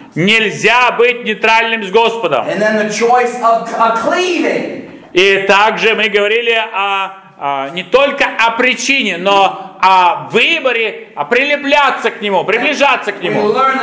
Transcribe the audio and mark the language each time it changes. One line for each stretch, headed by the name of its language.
Russian: Нельзя быть нейтральным с Господом.
English: And then the choice of cleaving.
Russian: И также мы говорили о не только о причине, но о выборе, о прилепляться к Нему, приближаться к Нему.